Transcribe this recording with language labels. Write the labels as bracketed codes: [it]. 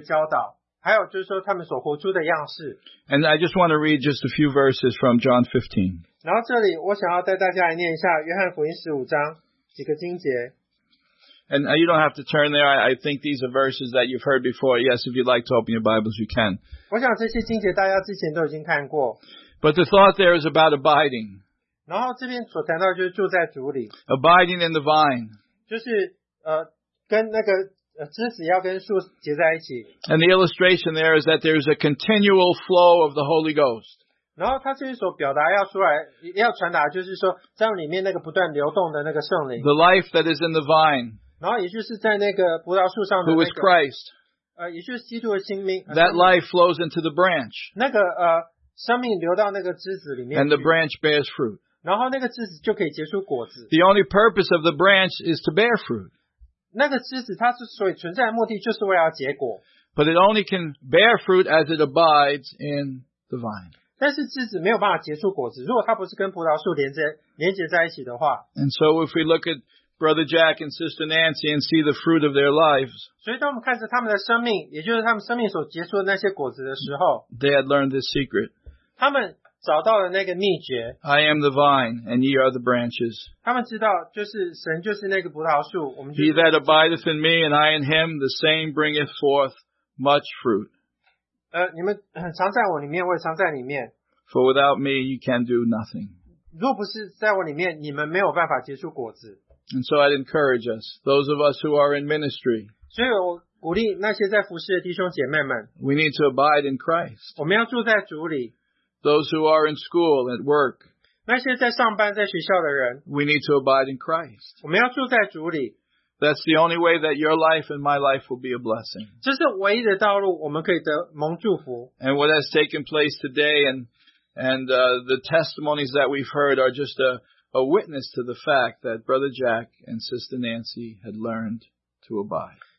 [zh] 我们必须要跟随着他们给我们的教导，还有就是说他们所活出的样式。 [en] And I just want to read just a few verses from John 15. [zh] 然后这里我想要带大家来念一下约翰福音15章几个经节。 [en] And you don't have to turn there. I think these are verses that you've heard before. Yes, if you'd like to open your Bibles, you can. [zh] 我想这些经节大家之前都已经看过。 [en] But the thought there is about abiding. [zh] 然后这边所谈到就是住在主里, [en] abiding in the vine. [zh] 就是跟那个枝子要跟树结在一起。 [en] And the illustration there is that there is a continual flow of the Holy Ghost. [zh] 然后他这边所表达要出来，要传达就是说，在里面那个不断流动的那个圣灵。 [en] The life that is in the vine. [zh] 然后也就是在那个葡萄树上的那个, [en] who is Christ. [zh] 也就是基督的生命, [en] that life flows into the branch. [zh] 那个生命流到那个枝子里面。 [en] And the branch bears fruit. [zh] 然后那个枝子就可以结出果子。 [en] The only purpose of the branch is to bear fruit. [zh] 那个枝子它之所以存在的目的就是为了结果。 [en] But it only can bear fruit as it abides in the vine. [zh] 但是枝子没有办法结出果子，如果它不是跟葡萄树连接在一起的话。 [en] And so if we look at Brother Jack and Sister Nancy and see the fruit of their lives, [zh] 所以当我们看着他们的生命，也就是他们生命所结出的那些果子的时候， [en] they had learned this secret. [zh] 他们 找到了那个秘诀, [en] I am the vine, and ye are the branches. [zh] 他们知道就是神就是那个葡萄树, [en] he that abideth in me, and I in him, the same bringeth forth much fruit. [zh] 你们常在我里面, [en] for without me, you can do nothing. [zh] 若不是在我里面, [en] and so I'd encourage us, those of us who are in ministry, we need to abide in Christ. Those who are in school, at work, [zh] 那些在上班,在学校的人, [en] we need to abide in Christ. [zh] 我们要住在主里, [en] that's the only way that your life and my life will be a blessing. [zh] 这是唯一的道路,我们可以得蒙祝福。 [en] And what has taken place today and the testimonies that we've heard are just a witness to the fact that Brother Jack and Sister Nancy had learned to abide.